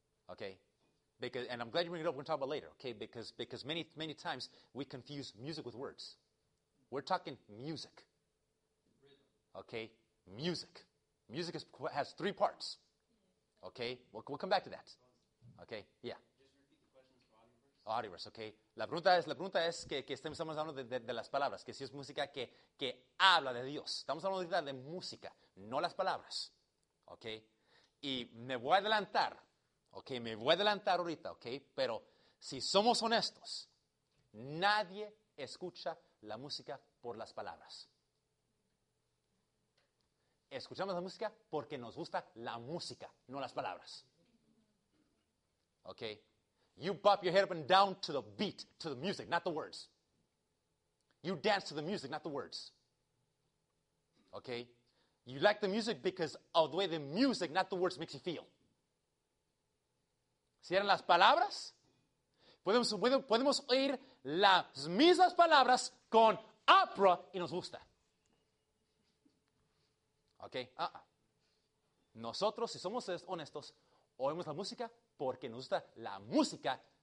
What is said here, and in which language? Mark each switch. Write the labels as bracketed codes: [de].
[en] Okay, because and I'm glad you bring it up. We're gonna talk about it later. Okay, because many times we confuse music with words. We're talking music. Okay, music. Music has three parts. Okay, we'll come back to that. Okay, yeah. Audiverse, okay. [es] La pregunta es que estamos hablando de las palabras, que si es música que habla de Dios. Estamos hablando de música, no las palabras, okay. Y me voy a adelantar ahorita, okay. Pero si somos honestos, nadie escucha la música por las palabras. Escuchamos la música porque nos gusta la música, no las palabras, okay. [en] You bop your head up and down to the beat, to the music, not the words. You dance to the music, not the words. Okay? You like the music because of the way the music, not the words, makes you feel. [es] Si eran las palabras, podemos oír las mismas palabras con opera y nos gusta. Okay? Nosotros, si somos honestos, oímos la música porque nos gusta la música.